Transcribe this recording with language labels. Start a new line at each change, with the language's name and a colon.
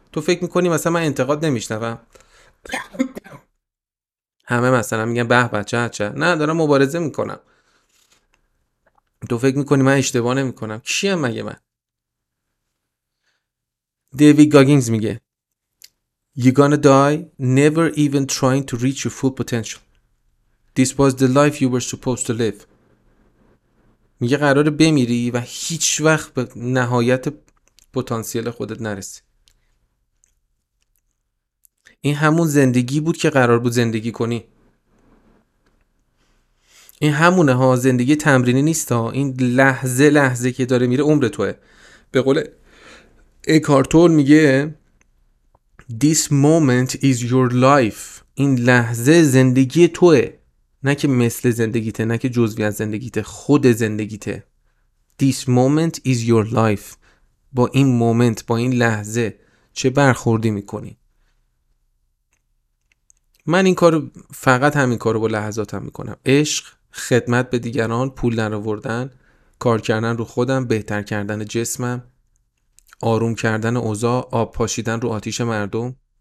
Persian: تو فکر میکنی مثلا من انتقاد نمیشنوم؟ همه مثلا میگن به بچه هچه، نه دارم مبارزه میکنم. تو فکر میکنی من اشتباه نمیکنم؟ کیم مگه من؟ دیوید گاگینز میگه
English: You gonna die never even trying to reach your full potential. This was the life you were supposed to live.
Persian: میگه قراره بمیری و هیچ وقت به نهایت پتانسیل خودت نرسی. این همون زندگی بود که قرار بود زندگی کنی. این همونه ها، زندگی تمرینی نیست ها. این لحظه لحظه که داره میره عمر توه. به قول اکارت تول میگه
English: This moment is your life.
Persian: این لحظه زندگی توه، نه که مثل زندگیته، نه که جزوی از زندگیته، خود زندگیته.
English: This moment is your life.
Persian: با این مومنت، با این لحظه چه برخوردی میکنی؟ من این کارو، فقط همین کارو با لحظاتم میکنم. عشق، خدمت به دیگران، پول درآوردن، کار کردن رو خودم، بهتر کردن جسمم، آروم کردن اوضاع، آب پاشیدن رو آتیش مردم.